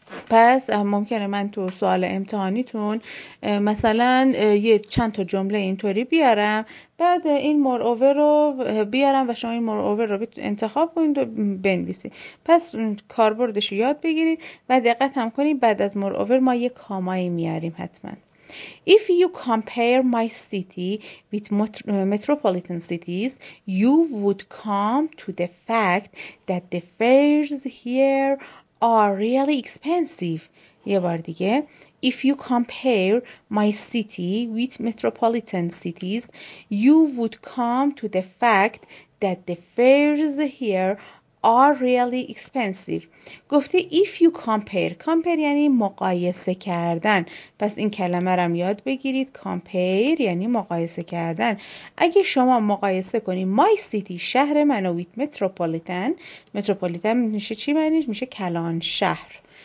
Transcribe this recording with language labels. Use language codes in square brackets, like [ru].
[fa] پس ممکنه من تو سوال امتحانیتون مثلا یه چند تا جمله اینطوری بیارم، بعد این moreover رو بیارم و شما این moreover رو انتخاب کنید و بنویسید. پس کاربردش رو یاد بگیرید و دقت هم کنید بعد از moreover ما یه کامایی میاریم حتما. [en] If you compare my city with metropolitan cities, you would come to the fact that the fares here are really expensive. [fa] یه بار دیگه. [en] If you compare my city with metropolitan cities, you would come to the fact that the fares here are really expensive. [fa] گفته [en] if you compare [fa] یعنی مقایسه کردن. پس این کلمه رو یاد بگیرید. compare یعنی مقایسه کردن. اگه شما مقایسه کنید [en] my city [fa] شهر منو [en] with metropolitan [fa] میشه چی معنیش؟ میشه کلان شهر.